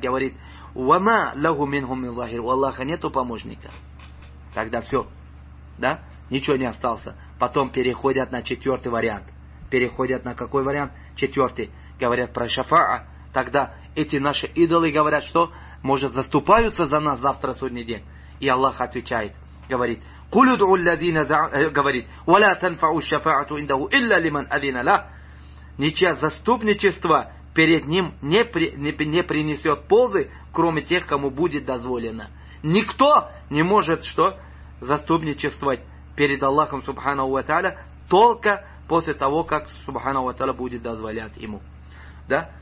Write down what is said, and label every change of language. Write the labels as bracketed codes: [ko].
[ru] Говорит, [ar] وَمَا لَهُ مِنْهُمْ مِنْ ظَهِيرٍ. [ru] У Аллаха нету помощника. Тогда все. Да? Ничего не осталось. Потом переходят на четвертый вариант. Переходят на какой вариант? Четвертый. Говорят про шафа'а. Тогда эти наши идолы говорят, что, может, заступаются за нас завтра судный день. И Аллах отвечает. Говорит, [ar] قُلُ دُعُ الَّذِينَ [ru] говорит, [ar] وَلَا تَنْفَعُ الشَّفَاعَةُ إِنْدَهُ إِلَّا لِمَنْ أَذِنَ لَهُ. [ru] Ничья заступничество перед ним не принесет пользы, кроме тех, кому будет дозволено. Никто не может что заступничествовать перед Аллахом Субхану ва Тааля только после того, как Субхану ва Тааля будет дозволять ему. Да?